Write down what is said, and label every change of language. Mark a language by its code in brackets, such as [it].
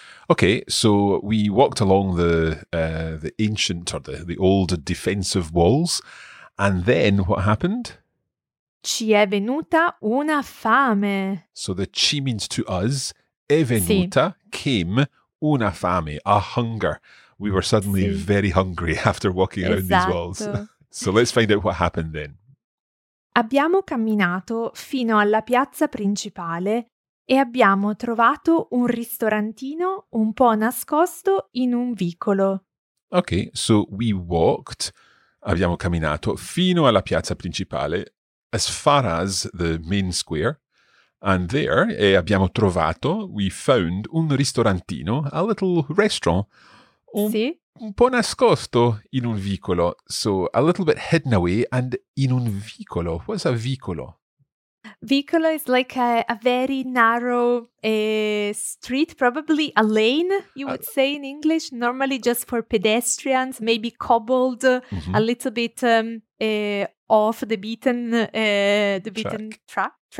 [en] Okay, so we walked along the ancient or the old defensive walls, and then what happened? [it] Ci è venuta una fame. [en] So the ci means to us. È venuta, sì. came, una fame, a hunger. We were suddenly sì. very hungry after walking around [it] esatto. [en] these walls. So let's find out what happened then. [it] Abbiamo camminato fino alla piazza principale e abbiamo trovato un ristorantino un po' nascosto in un vicolo. [en] Ok, so we walked, abbiamo camminato fino alla piazza principale, as far as the main square. And there, abbiamo trovato, we found un ristorantino, a little restaurant, [it] sì. un po' nascosto in un vicolo. [en] So, a little bit hidden away and in un vicolo. What's a vicolo? Vicolo is like a very narrow street, probably a lane, you would say in English, normally just for pedestrians, maybe cobbled, mm-hmm. a little bit off the beaten track.